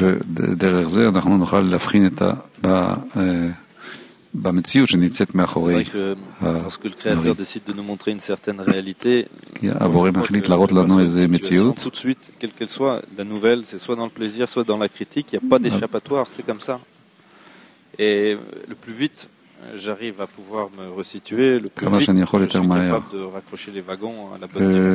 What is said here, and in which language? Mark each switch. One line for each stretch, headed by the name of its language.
French: Derrière ça,
Hebrew: אנחנו נוכל להבחין את במציאות שנמצאת מאחורי.
French: Parce que le créateur décide de nous montrer une certaine réalité. Avoir envie de
Hebrew: להראות לנו איזה מציאות.
French: Tout de suite, quelle qu'elle soit, la nouvelle, c'est soit dans le plaisir, soit dans la critique, il y a pas d'échappatoire, c'est comme ça. Et le plus vite j'arrive à pouvoir me resituer, le plus vite je suis capable de raccrocher les wagons à la bonne